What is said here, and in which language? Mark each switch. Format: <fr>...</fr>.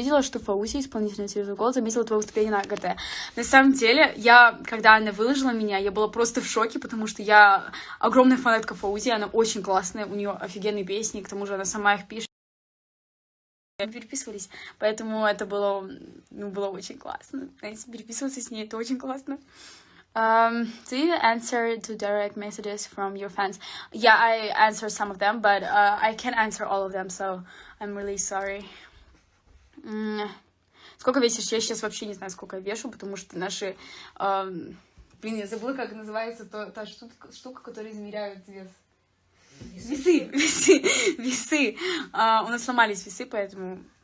<ru>Видела, что Фаузи, исполнительница «Через угол», заметила твое выступление на ГТ. На самом деле, я, когда она выложила меня, я была просто в шоке, потому что я огромная фанатка Фаузи, она очень классная, у нее офигенные песни, к тому же она сама их пишет. Мы переписывались, поэтому это было, ну, было очень классно. Знаете, переписываться с ней, это очень классно.</ru> <en>Do you answer to direct messages from your fans? Yeah, I answer some of them, but I can't answer all of them, so I'm really sorry.</en> <ru>Сколько весишь? Я сейчас вообще не знаю, сколько я вешу, потому что наши... блин, я забыла, как называется та штука, которая измеряет вес. Весы! У нас сломались весы, поэтому...</ru>